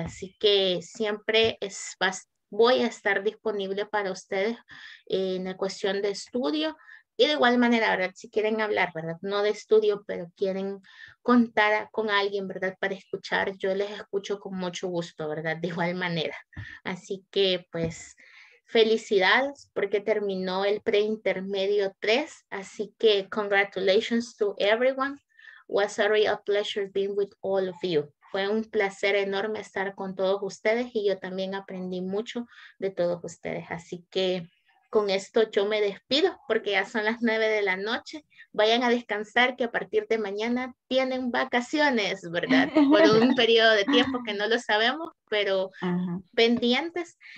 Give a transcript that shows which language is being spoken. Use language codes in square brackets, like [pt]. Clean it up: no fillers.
[es] Así que siempre es bastante. Voy a estar disponible para ustedes en la cuestión de estudio y de igual manera, ¿verdad? Si quieren hablar, ¿verdad? No de estudio, pero quieren contar con alguien, ¿verdad? Para escuchar, yo les escucho con mucho gusto, ¿verdad? De igual manera. Así que, pues, felicidades porque terminó el preintermedio 3. Así que, [en] congratulations to everyone. Was a real pleasure being with all of you. [es] Fue un placer enorme estar con todos ustedes y yo también aprendí mucho de todos ustedes. Así que con esto yo me despido porque ya son las 9 de la noche. Vayan a descansar que a partir de mañana tienen vacaciones, ¿verdad? Por un periodo de tiempo que no lo sabemos, pero pendientes.